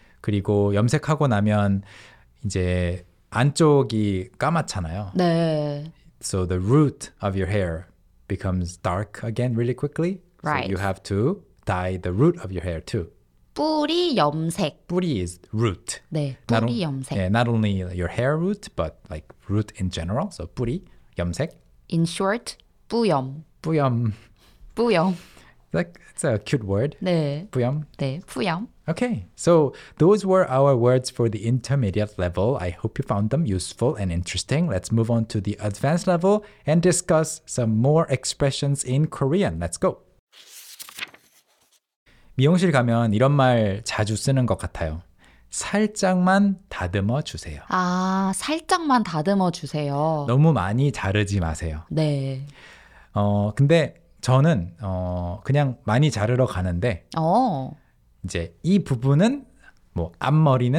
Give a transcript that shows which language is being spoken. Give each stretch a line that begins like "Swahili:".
Korean: 그리고 염색하고 나면 이제 안쪽이 까맣잖아요. 네.
English: So the root of your hair becomes dark again really quickly. Right. So you have to dye the root of your hair too.
Korean: 뿌리 염색.
English: 뿌리 is root.
Korean: 네, 뿌리 not 염색.
English: Yeah, not only your hair root, but like root in general. So 뿌리 염색. In short, 뿌염.
Korean: 뿌염. 뿌염.
English: Like, it's a cute word.
Korean: 네. 뿌염. 네, 뿌염.
English: Okay, so those were our words for the intermediate level. I hope you found them useful and interesting. Let's move on to the advanced level and discuss some more expressions in Korean. Let's go.
Korean: 미용실 가면 이런 말 자주 쓰는 것 같아요. 살짝만 다듬어 주세요. 아, 살짝만 다듬어 주세요. 너무 많이 자르지 마세요. 네. 근데 저는 그냥 많이 자르러 가는데 이제 이 부분은 뭐 앞머리는